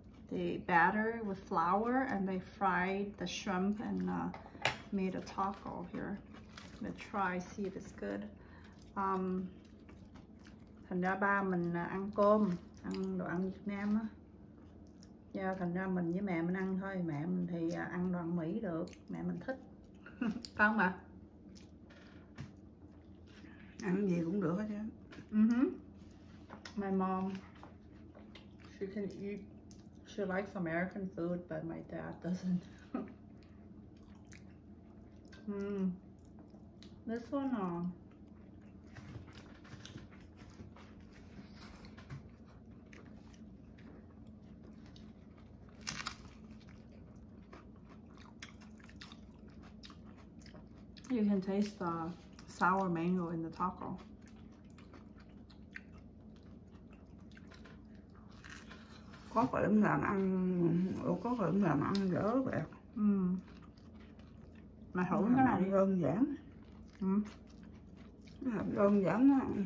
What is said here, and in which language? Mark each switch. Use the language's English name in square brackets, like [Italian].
[English] They batter with flour and they fried the shrimp and made a taco here. I'm gonna try, see if it's good. [Vietnamese] Thành ra ba mình ăn cơm, ăn đồ ăn Việt Nam á. Dạ, thành ra mình với mẹ mình ăn thôi. Mẹ mình thì ăn đồ ăn Mỹ được, mẹ mình thích. Không mà ăn gì cũng được hết chứ. [English] My mom, she can eat, she likes American food, but my dad doesn't. This one, you can taste the sour mango in the taco. [Vietnamese] Có phải làm ăn, có phải làm ăn dở vậy? Mà thử cái này đơn giản. Làm đơn giản á.